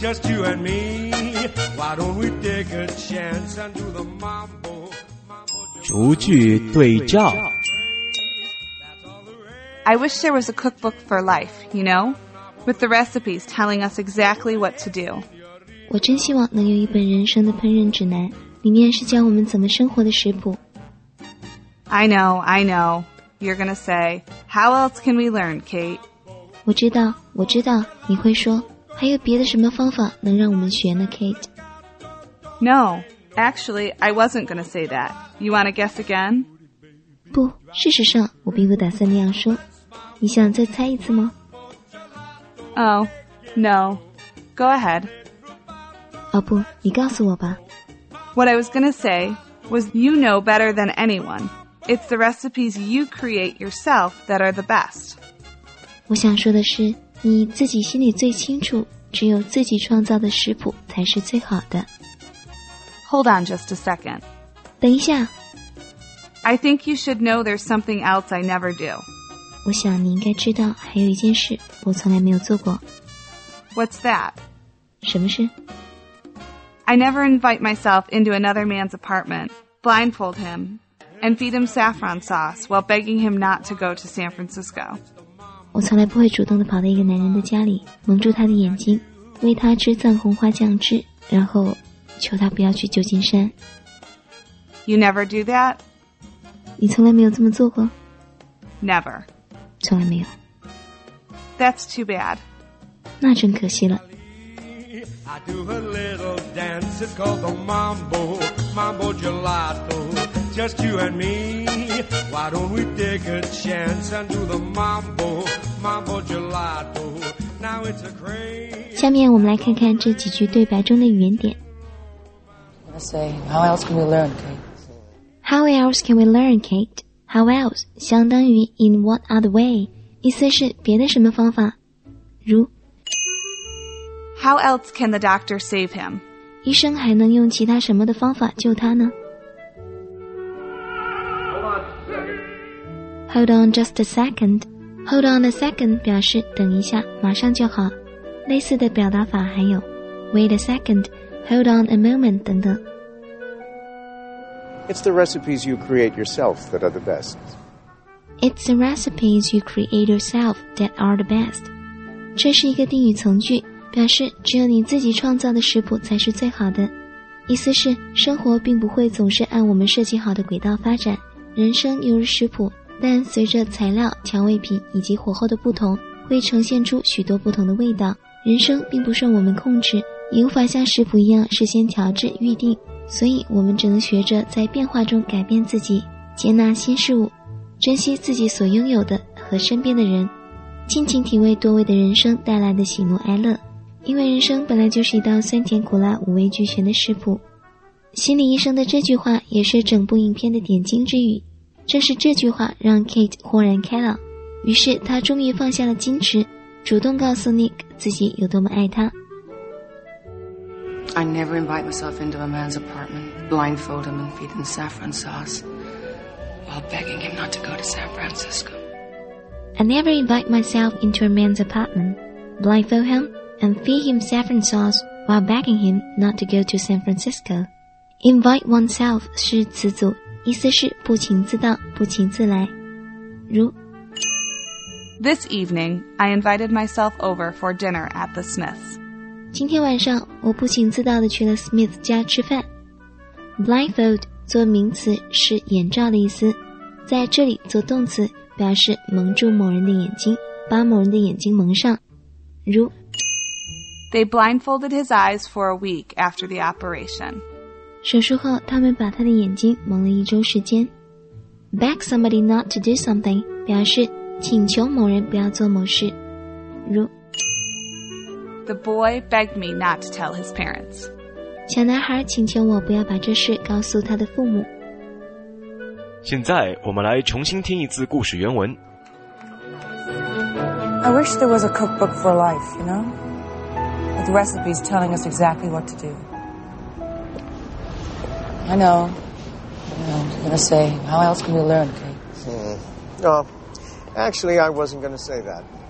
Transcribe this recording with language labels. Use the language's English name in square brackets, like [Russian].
[English] Just you and me, why don't we take a chance and do the Mambo, Mambo Gelato. I wish there was a cookbook for life, you know, with the recipes telling us exactly what to do. [Chinese] 我真希望能有一本人生的烹饪指南，里面是教我们怎么生活的食谱。 [English] I know. You're gonna say, how else can we learn, Kate? [Chinese] 我知道，我知道，你会说，还有别的什么方法能让我们学呢 Kate? [English] No, actually, I wasn't gonna say that. You wanna guess again? [Chinese] 不，事实上，我并不打算那样说。你想再猜一次吗？ [English] Oh, no. Go ahead. [Chinese] 哦，不，你告诉我吧。 [English] What I was gonna say was, you know better than anyone. It's the recipes you create yourself that are the best. [Chinese] 我想说的是，你自己心里最清楚，只有自己创造的食谱才是最好的。 [English] Hold on just a second. [Chinese] 等一下。 [English] I think you should know there's something else I never do. [Chinese] 我想你应该知道还有一件事我从来没有做过。 [English] What's that? [Chinese] 什么事？ [English] I never invite myself into another man's apartment, blindfold him. And feed him saffron sauce while begging him not to go to San Francisco. [Chinese] 我从来不会主动地跑到一个男人的家里，蒙住他的眼睛，喂他吃藏红花酱汁，然后求他不要去旧金山。 [English] You never do that? [Chinese] 你从来没有这么做过？ [English] Never. [Chinese] 从来没有。 [English] That's too bad. [Chinese] 那真可惜了。 [English] I do a little dance, it's called the Mambo, Mambo Gelato. Just you and me, why don't we take a chance and do the Mambo, Mambo Gelato. Now it's a craze. [Chinese] 下面我们来看看这几句对白中的语言点。 [English] I say, how else can we learn, Kate? How else can we learn, Kate? How else? [Chinese] 相当于 [English] in what other way? [Chinese] 意思是别的什么方法。如 [English] How else can the doctor save him? [Chinese] 医生还能用其他什么的方法救他呢？ [English] Hold on just a second. Hold on a second [Chinese] 表示等一下，马上就好。类似的表达法还有 [English] wait a second, hold on a moment [Chinese] 等等。 [English] It's the recipes you create yourself that are the best. It's the recipes you create yourself that are the best. [Chinese] 这是一个定语从句，表示只有你自己创造的食谱才是最好的。意思是生活并不会总是按我们设计好的轨道发展，人生犹如食谱，但随着材料、调味品以及火候的不同，会呈现出许多不同的味道。人生并不受我们控制，也无法像食谱一样事先调制预定，所以我们只能学着在变化中改变自己，接纳新事物，珍惜自己所拥有的和身边的人，尽情体味多味的人生带来的喜怒哀乐。因为人生本来就是一道酸甜苦辣五味俱全的食谱。心理医生的这句话也是整部影片的点睛之语，正是这句话让 Kate 豁然开朗，于是他终于放下了矜持，主动告诉 Nick 自己有多么爱他。 [English] I never invite myself into a man's apartment, blindfold him and feed him saffron sauce while begging him not to go to San Francisco. I never invite myself into a man's apartment, blindfold him and feed him saffron sauce while begging him not to go to San Francisco. Invite oneself [Chinese] 是词组，意思是不请自到，不请自来。如 [English] This evening, I invited myself over for dinner at the Smiths. [Chinese] 今天晚上我不请自到地去了 Smith 家吃饭。 Blindfold 做名词是眼罩的意思，在这里做动词表示蒙住某人的眼睛，把某人的眼睛蒙上。如 [English] They blindfolded his eyes for a week after the operation. [Chinese] 手术后他们把他的眼睛蒙了一周时间。 [English] Beg somebody not to do something [Chinese] 表示请求某人不要做某事。如 [English] The boy begged me not to tell his parents. [Chinese] 小男孩请求我不要把这事告诉他的父母。现在我们来重新听一次故事原文。 [English] I wish there was a cookbook for life, you know? With recipes telling us exactly what to do. I know. You're gonna say, how else can we learn, Kate? No, actually I wasn't gonna say that.